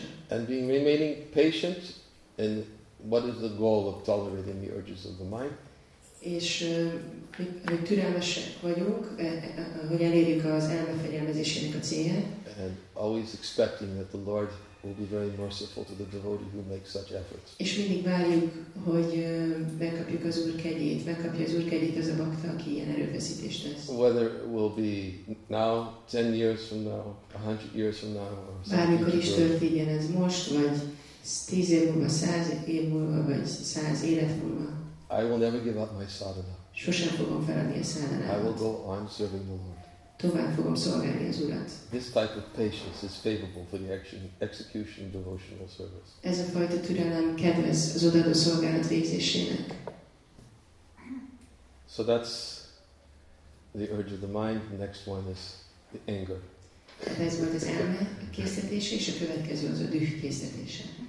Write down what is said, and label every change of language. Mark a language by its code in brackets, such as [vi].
[en] And being remaining patient in what is the goal of tolerating the urges of the mind? [hu] És hogy türelmesek vagyunk, hogy elérjük az elmefegyelmezésének a célját. [en] And always expecting that the Lord will be very merciful to the devotee who makes such efforts. [hu] És mindig várjuk, hogy megkapjuk az Úr kegyét, megkapja az Úr kegyét az a bakta, aki ilyen erőfeszítést tesz. [en] Whether it will be now, 10 years from now, 100 years from now, or [hu] várjuk, hogy is történjen ez most, vagy 10 év múlva, 100 év múlva, vagy 100 élet múlva. [en] I will never give up my sadhana. [hu] Sosem fogom feladni a sadhanát. [en] I will go on serving the Lord. [hu] Tovább fogom szolgálni az Urat. [en] This type of patience is favorable for the execution of devotional service. [hu] Ez a fajta türelem kedvez az odaadó szolgálat végzésének. [en] So that's the urge of the mind. The next one is the anger. [hu] Ez volt az elme késztetése, és a következő az a düh késztetése.